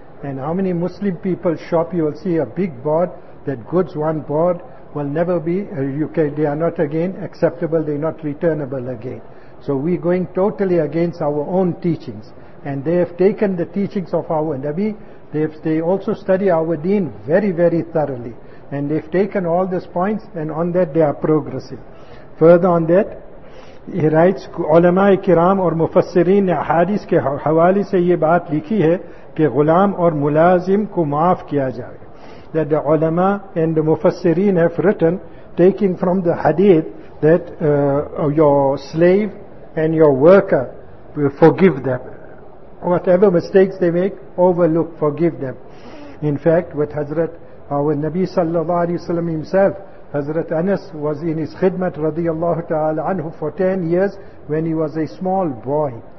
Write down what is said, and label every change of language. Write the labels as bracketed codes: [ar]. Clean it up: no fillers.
[en] And how many Muslim people shop, you will see a big board that goods one bought will never be, they are not again acceptable, they are not returnable again. So we are going totally against our own teachings. And they have taken the teachings of our Nabi, they also study our deen very, very thoroughly. And they've taken all these points, and on that they are progressing. Further on that, he writes, [ur] علماء کرام اور مفسرین نے حدیث کے حوالے سے یہ بات لکھی ہے کہ غلام اور ملازم کو معاف کیا جائے. [en] That the علماء and the مفسرین have written, taking from the hadith, that your slave and your worker, forgive them. Whatever mistakes they make, overlook, forgive them. In fact, with Hazrat, our Nabi sallallahu alayhi wa sallam himself, Hazrat Anas was in his khidmat radiallahu ta'ala anhu for 10 years when he was a small boy.